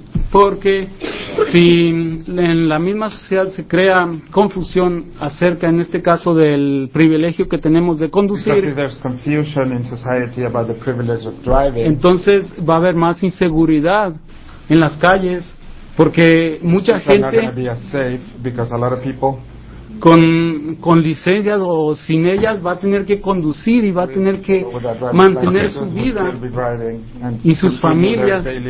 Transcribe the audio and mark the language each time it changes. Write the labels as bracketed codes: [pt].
[es] Porque si en la misma sociedad se crea confusión acerca, en este caso, del privilegio que tenemos de conducir, [en] because if there's confusion in society about the privilege of driving, [es] entonces va a haber más inseguridad en las calles, porque mucha gente [en] not gonna be as safe because a lot of people [es] con licencias o sin ellas va a tener que conducir y va a tener que mantener su vida y sus familias.